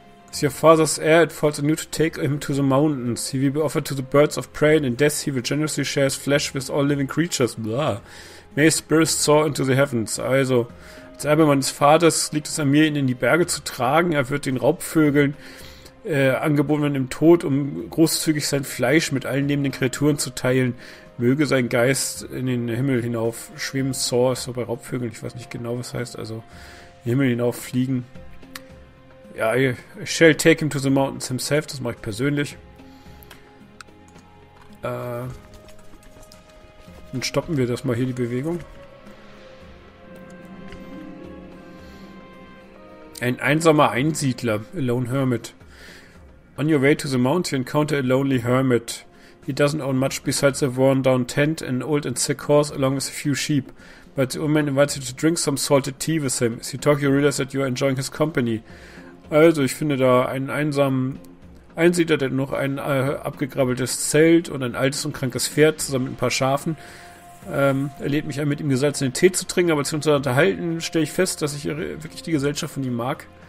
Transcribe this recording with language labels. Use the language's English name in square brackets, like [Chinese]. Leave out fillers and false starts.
[English] As your father's heir, it falls on you to take him to the mountains. He will be offered to the birds of prey, and in death he will generously share his flesh with all living creatures. Blah. May his spirit soar into the heavens. [German] Also, als Erbe meines Vaters liegt es an mir, ihn in die Berge zu tragen. Er wird den Raubvögeln angeboten werden im Tod, um großzügig sein Fleisch mit allen lebenden Kreaturen zu teilen. Möge sein Geist in den Himmel hinauf schweben. Soar ist so bei Raubvögeln. Ich weiß nicht genau, was heißt. Also Himmel hinauf fliegen. [English] Ja, I shall take him to the mountains himself. [German] Das mache ich persönlich. Dann stoppen wir das mal hier, die Bewegung. Ein einsamer Einsiedler, [English] a lone hermit. On your way to the mountain, you encounter a lonely hermit. He doesn't own much besides a worn-down tent, an old and sick horse, along with a few sheep. But the old man invites you to drink some salted tea with him. As you talk, you realize that you are enjoying his company. [German] Also, ich finde da einen einsamen Einsiedler, der noch ein abgegrabbeltes Zelt und ein altes und krankes Pferd zusammen mit ein paar Schafen. Er lädt mich ein, mit ihm gesalzenen Tee zu trinken, aber als wir uns unterhalten, stelle ich fest, dass ich wirklich die Gesellschaft von ihm mag.